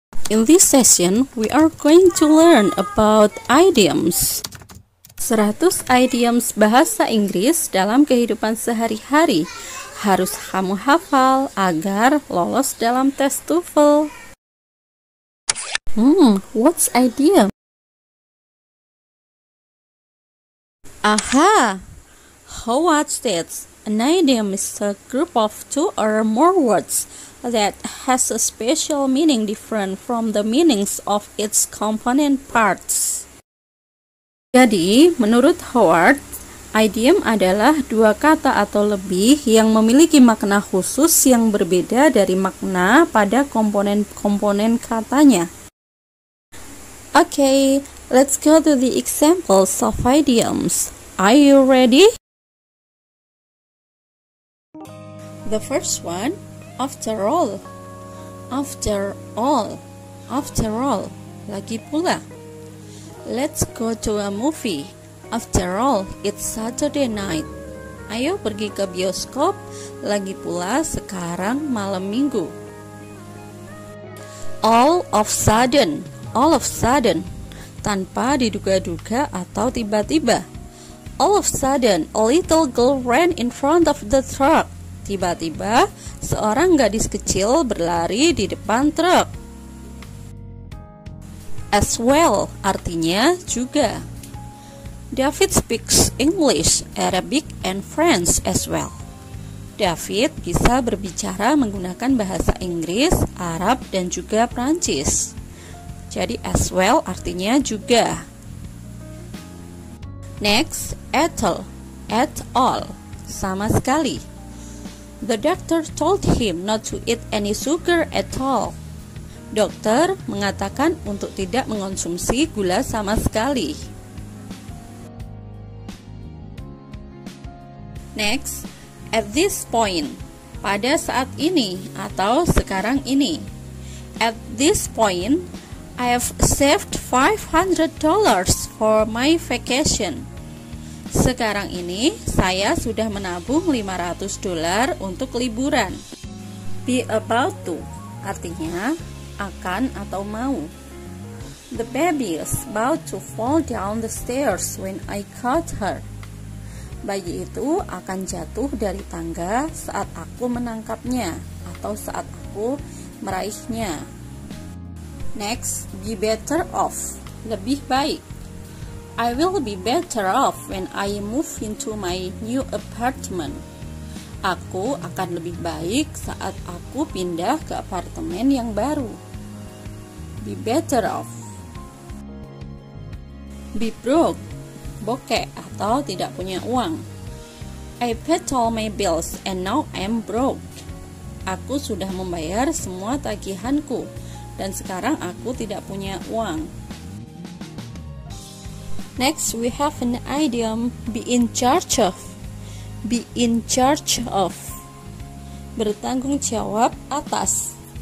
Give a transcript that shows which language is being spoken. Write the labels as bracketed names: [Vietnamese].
[English] In this session, we are going to learn about idioms. [Indonesian] 100 idioms bahasa Inggris dalam kehidupan sehari-hari harus kamu hafal agar lolos dalam tes TOEFL. [English] What's idiom? Aha! How was that? An idiom is a group of two or more words that has a special meaning different from the meanings of its component parts. [Indonesian] Jadi, menurut Howard, idiom adalah dua kata atau lebih yang memiliki makna khusus yang berbeda dari makna pada komponen-komponen katanya. [English] Okay, let's go to the examples of idioms. Are you ready? The first one, after all. After all. After all. [Indonesian] Lagi pula. [English] Let's go to a movie. After all, it's Saturday night. [Indonesian] Ayo pergi ke bioskop. Lagi pula, sekarang malam minggu. [English] All of sudden. All of sudden. [Indonesian] Tanpa diduga-duga atau tiba-tiba. [English] All of sudden, a little girl ran in front of the truck. [Indonesian] Tiba-tiba, seorang gadis kecil berlari di depan truk. [English] As well, artinya juga. David speaks English, Arabic, and French as well. [Indonesian] David bisa berbicara menggunakan bahasa Inggris, Arab, dan juga Prancis. Jadi [English] as well [Indonesian] artinya juga. [English] Next, at all. At all, [Indonesian] sama sekali. [English] The doctor told him not to eat any sugar at all. [Indonesian] Dokter mengatakan untuk tidak mengonsumsi gula sama sekali. [English] Next, at this point. [Indonesian] Pada saat ini atau sekarang ini. [English] At this point, I have saved $500 for my vacation. [Indonesian] Sekarang ini, saya sudah menabung $500 untuk liburan. [English] Be about to, [Indonesian] artinya akan atau mau. [English] The baby is about to fall down the stairs when I caught her. [Indonesian] Bayi itu akan jatuh dari tangga saat aku menangkapnya atau saat aku meraihnya. [English] Next, be better off, [Indonesian] lebih baik. [English] I will be better off when I move into my new apartment. [Indonesian] Aku akan lebih baik saat aku pindah ke apartemen yang baru. [English] Be better off. Be broke, [Indonesian] bokeh atau tidak punya uang. [English] I paid all my bills and now I'm broke. [Indonesian] Aku sudah membayar semua tagihanku dan sekarang aku tidak punya uang. [English] Next, we have an idiom, be in charge of. Be in charge of. [Indonesian] Bertanggung jawab atas.